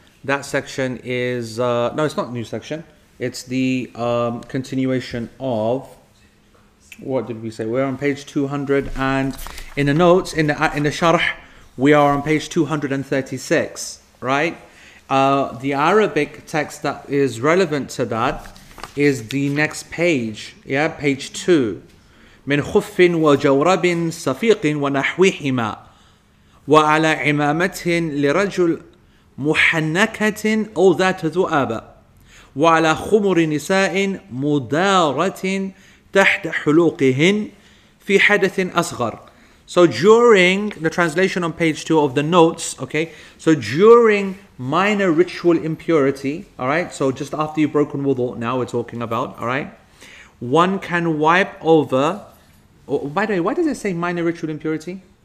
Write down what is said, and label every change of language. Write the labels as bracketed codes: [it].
[en] That section is, no, it's not a new section. It's the continuation of, what did we say? We're on page 200, and in the notes, in the sharh, we are on page 236, right? The Arabic text that is relevant to that is the next page. Yeah, page 2. [ar] من خف وجورب صفيق ونحوهما وعلى عمامة لرجل محنكة أو ذات ذؤابة وعلى خمر نساء مدارة تحت حلوقهن في حدث أصغر. [en] So during the translation on page 2 of the notes, okay, so during minor ritual impurity, all right, so just after you've broken wudu, now we're talking about, all right, one can wipe over. Oh, by the way, why does it say minor ritual impurity?